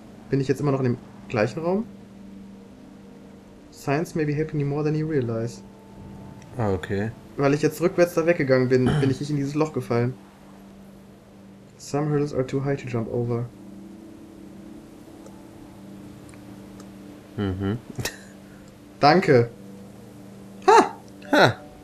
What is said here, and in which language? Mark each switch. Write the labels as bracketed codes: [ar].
[de] Bin ich jetzt immer noch in dem gleichen Raum? [en] Science may be helping you more than you realize. Ah, okay. [de] Weil ich jetzt rückwärts da weggegangen bin, bin ich nicht in dieses Loch gefallen. [en] Some hurdles are too high to jump over. Mhm. [de] Danke. Ha! Ha!